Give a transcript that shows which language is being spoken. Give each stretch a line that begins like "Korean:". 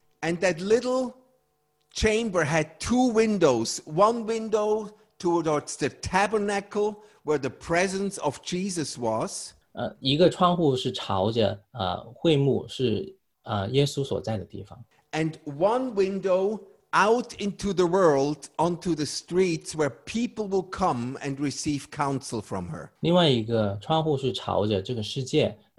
English: ，and that little chamber had two windows. One window towards the tabernacle where the presence of Jesus was.
Chinese: 一个窗户是朝着会幕是耶稣所在的地方。
English: And one window out into the world onto the streets where people will come and receive counsel from her.
Chinese: 另外一个窗户是朝着这个世界。